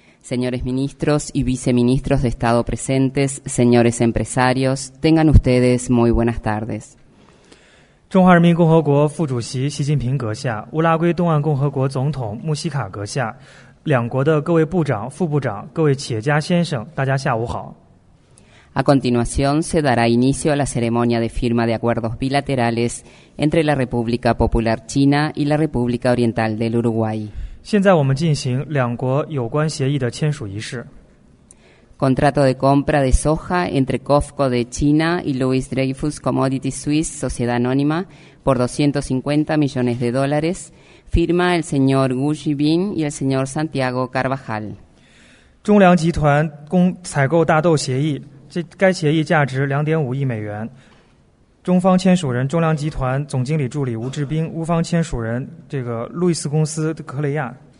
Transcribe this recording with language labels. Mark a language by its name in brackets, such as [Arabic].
[Spanish] Señores ministros y viceministros de Estado presentes, señores empresarios, tengan ustedes muy buenas tardes. [Chinese] 中华人民共和国副主席习近平阁下，乌拉圭东岸共和国总统穆西卡阁下， 两国的各位部长、副部长、各位企业家先生，大家下午好。 [Spanish] A continuación se dará inicio a la ceremonia de firma de acuerdos bilaterales entre la República Popular China y la República Oriental del Uruguay. [Chinese] 现在我们进行两国有关协议的签署仪式。 [Spanish] Contrato de compra de soja entre COFCO de China y Louis Dreyfus Commodity Suisse, sociedad anónima, por 250 millones de dólares. Firma el señor Wu Xibin y el señor Santiago Carvajal. [Chinese] 中粮集团采购大豆协议，该协议价值 2.5 亿美元。中方签署人中粮集团总经理助理吴志斌，乌方签署人这个路易斯公司克雷亚。